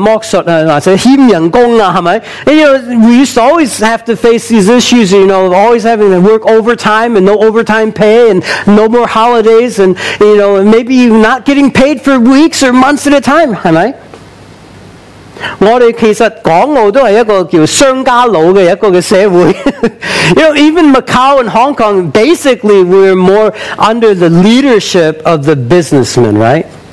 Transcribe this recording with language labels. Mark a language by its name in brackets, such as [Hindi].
[Cantonese] 以前呢就可能而家冇咁厲害，但以前呢又要成日加班，又做12個鐘頭，或者係冇即係唔會加班費，係咪？冇假期，剝削啊，或者欠人工啊，係咪？ [English] You know, we used to always have to face these issues, you know, always having to work overtime and no overtime pay and no more holidays and, you know, maybe not getting paid for weeks or months at a time, [Cantonese] 係咪？我哋其實港澳都係一個叫商家佬嘅一個嘅社會， [English] you know, even Macau and Hong Kong, basically we're more under the leadership of the businessmen, right?